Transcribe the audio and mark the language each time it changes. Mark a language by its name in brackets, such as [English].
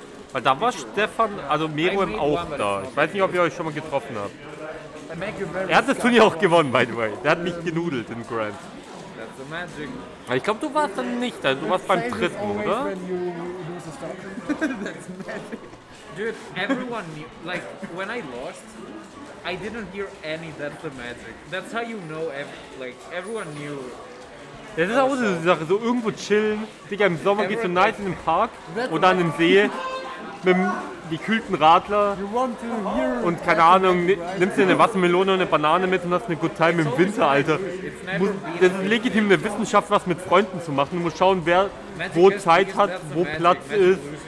[German] Weil da war Stefan, also Meruem auch da. Ich weiß nicht, ob ihr euch schon mal getroffen habt. Er hat das Turnier auch gewonnen, [English] by the way. [German] Der hat mich genudelt in Grand. [English] That's the magic. [German] Ich glaube, du warst dann nicht da. Du warst beim dritten, oder? [English] That's magic. Dude, everyone knew. Like, when I lost, I didn't hear any that's the magic. That's how you know, everyone knew. [German] Das ist auch so eine Sache, so irgendwo chillen. Digga, im Sommer geht's so nice in den Park oder an den See. gekühlten Radler und keine Ahnung, nimmst dir eine Wassermelone und eine Banane mit und hast eine [English] good time [German] im Winter, Alter. Das ist legitim eine Wissenschaft, was mit Freunden zu machen. Du musst schauen, wer wo Zeit hat, wo Platz ist.